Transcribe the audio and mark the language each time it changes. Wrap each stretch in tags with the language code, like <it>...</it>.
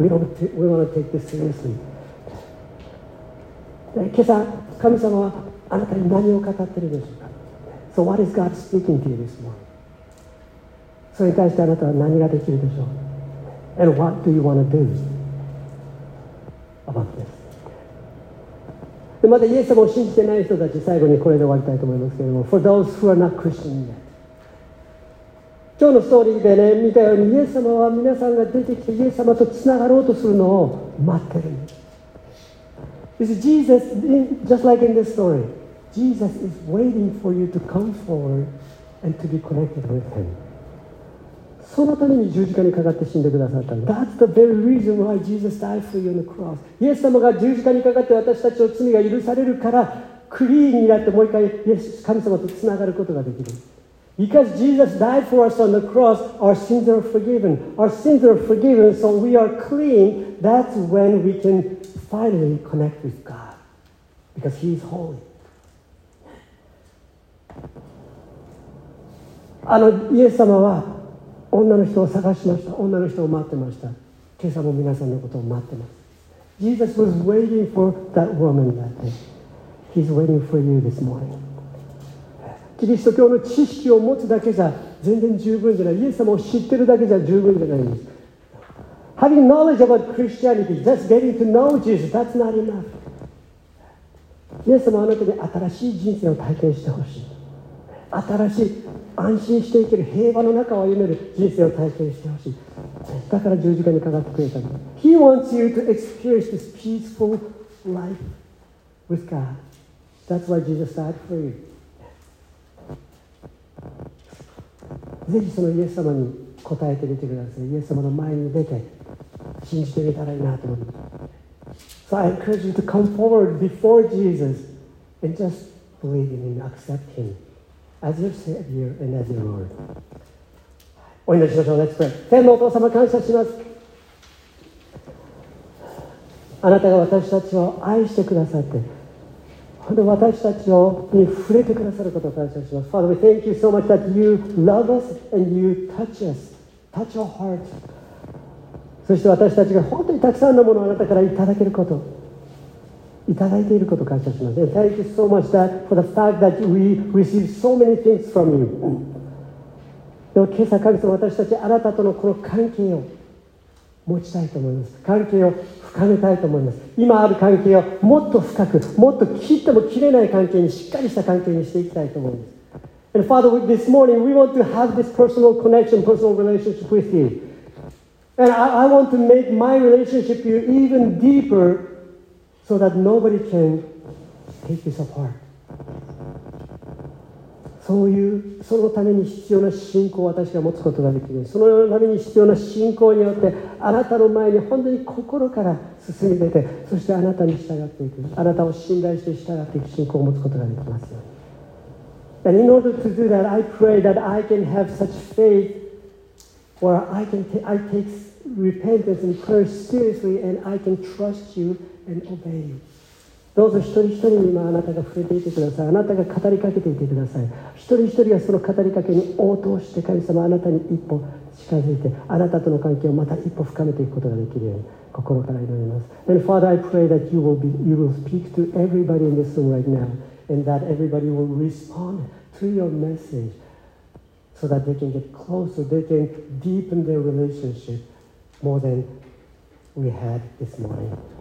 <en>We want to take this seriously.</en> <ja>今朝神様はあなたに何を語っているでしょうか。</ja> <en>So what is God speaking to you this morning?</en> <ja>それに対してあなたは何ができるでしょう。</ja> <en>And what do you want to do about this?</en> <ja>でまたイエス様を信じてない人たち、最後にこれで終わりたいと思いますけれども、</ja> <en>For those who are not Christian yet.</en> <ja>今日のストーリーでね、見たようにイエス様は皆さんが出てきてイエス様とつながろうとするのを待ってる。</ja> <en>You see, Jesus, just like in this story, Jesus is waiting for you to come forward and to be connected with him.</en> <ja>そのために十字架にかかって死んでくださったんです。</ja> <en>That's the very reason why Jesus died for you on the cross.</en> <ja>イエス様が十字架にかかって私たちの罪が許されるからクリーンになってもう一回イエス神様とつながることができる。</ja> <en>Because Jesus died for us on the cross, our sins are forgiven. Our sins are forgiven, so we are clean. That's when we can finally connect with God. Because He is holy.</en> <ja>あのイエス様は女の人を探しました。女の人を待ってました。今朝も皆さんのことを待ってます。</ja> <en>Jesus was waiting for that woman that day. He's waiting for you this morning.</en> <ja>キリスト教の知識を持つだけじゃ全然十分じゃない。イエス様を知ってるだけじゃ十分じゃないんです。</ja> <en>Having knowledge about Christianity, just getting to know Jesus, that's not enough.</en> <ja>イエス様はあなたに新しい人生を体験してほしい。新しい安心していける平和の中を歩める人生を体験してほしい。だから十字架にかかってくれたの。</ja> <en>He wants you to experience this peaceful life with God. That's why Jesus died for you.</en> <ja>ぜひそのイエス様に答えてみてください。イエス様の前に出て信じてみたらいいなと思います。</ja> <en>So I encourage you to come forward before Jesus and just believe in him, accept him. As your Savior and as your Lord.</en> <ja>お祈りしましょう。</ja> <en>Let's pray.</en> <ja>天のお父様、感謝します。あなたが私たちを愛してくださって、本当に私たちに触れてくださることを感謝します。</ja> <en>Father, we thank you so much that you love us and you touch us. Touch our hearts.</en> <ja>そして私たちが本当にたくさんのものをあなたからいただけること。いただいていることを感謝します。</ja> <en>And thank you so much that for the fact that we receive so many things from you.</en> <ja>でも今朝神様、私たちあなたとのこの関係を持ちたいと思います。関係を深めたいと思います。今ある関係をもっと深く、もっと切っても切れない関係に、しっかりした関係にしていきたいと思います。</ja> <en>And Father, this morning we want to have this personal connection, personal relationship with you. And I want to make my relationship with you even deeper. So that nobody can take this apart.</en> <ja>そういうそのために必要な信仰を私が持つことができる。そのために必要な信仰によってあなたの前に本当に心から進み出て、そしてあなたに従っていく、あなたを信頼して従っていく信仰を持つことができますように。</ja> <en>And in order to do that, I pray that I can have such faith where I take repentance and prayer seriously and I can trust youAnd obey you.</en> <ja>どうぞ一人一人に今あなたが触れていてください。あなたが語りかけていてください。一人一人がその語りかけに応答して神様あなたに一歩近づいて、あなたとの関係をまた一歩深めていくことができるように心から祈ります。</ja> <en>And Father, I pray that you will speak to everybody in this room right now, and that everybody will respond to your message. so that they can get closer, they can deepen their relationship more than we had this morning.</en>